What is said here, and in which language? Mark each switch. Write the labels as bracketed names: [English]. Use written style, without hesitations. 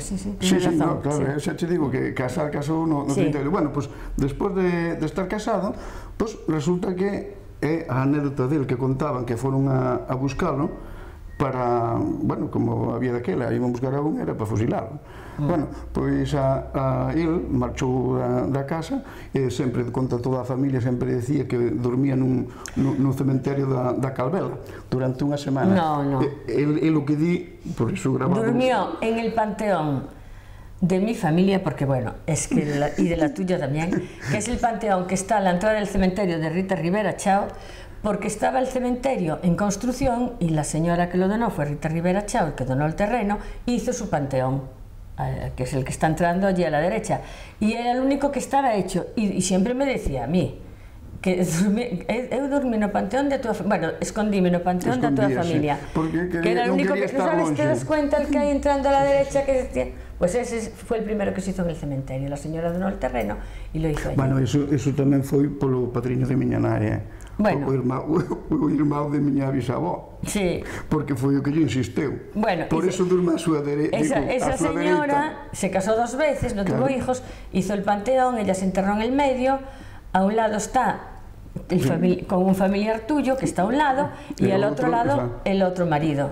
[Spanish] razón. No, claro, sí. Te digo que casó uno en el 38. Bueno, pues después de estar casado, pues resulta que a anécdota del que contaban que fueron a buscarlo para, bueno, como había daquela, iban a buscar a un, era para fusilarlo. [Galician] Bueno, pois a él marchou da casa e sempre, conta toda a familia, sempre decía que dormía nun cementerio da Calvela durante unha semana. [Spanish] No. [Galician] El o que di, por iso grabado... [Spanish] Durmió en el panteón de mi familia, porque bueno, es que y de la tuya tamén, que es el panteón que está a la entrada del cementerio de Rita Rivera Chao, porque estaba el cementerio en construcción y la señora que lo donó fue Rita Rivera Chao, que donó el terreno, hizo su panteón, que es el que está entrando allí a la derecha, y era el único que estaba hecho, y siempre me decía a mí que [Galician] eu dormí no panteón de tua, bueno, escondíme no panteón da tua familia, [Spanish] quería, que era el único que, ¿sabes longe? Que das cuenta el que hay entrando a la derecha, que decía, pues ese fue el primero que se hizo en el cementerio, la señora donó el terreno y lo hizo allí. [Galician] Bueno, eso tamén foi polo padriño de miña nai, Bueno. O irmão de miña bisavó. Sí. Porque foi o que lle insistiu. Bueno, por eso durma a súa dereita. [Spanish] Esa señora se casou dos veces, non tuvo hijos, hizo el panteón, ella se enterrou en el medio, a un lado está con un familiar tuyo, que está a un lado, y al otro lado, el otro marido.